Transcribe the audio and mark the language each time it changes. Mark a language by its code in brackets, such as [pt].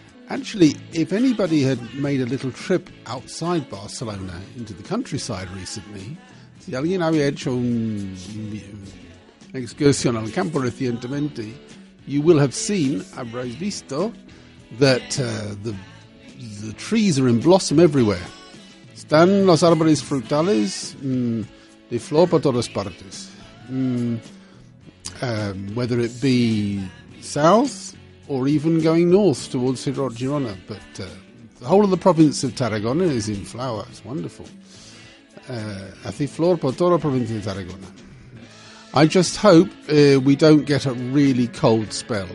[en] Actually, if anybody had made a little trip outside Barcelona into the countryside recently, [es] si alguien había hecho una excursión al campo recientemente, [en] you will have seen, [es] habréis visto, [en] that the trees are in blossom everywhere. [es] Están los árboles frutales de flor por todas partes. [en] Whether it be south, or even going north towards Girona, but the whole of the province of Tarragona is in flower. It's wonderful. [es] Hace flor por toda la provincia de Tarragona. [en] I just hope we don't get a really cold spell.